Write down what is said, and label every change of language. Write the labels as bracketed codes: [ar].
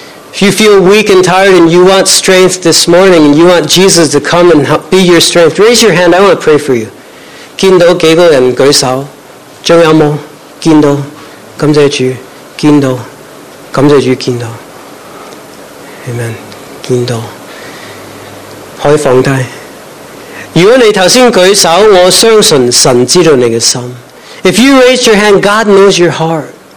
[en] If you feel weak and tired and you want strength this morning and you want Jesus to come and help be your strength, raise your hand. I want to pray for you. [yue] 见到几个人举手，仲有冇？见到，感谢主，见到，感谢主，见到。Amen。见到，可以放低。如果你头先举手，我相信神知道你嘅心。 [en] If you raise your hand, God knows your heart.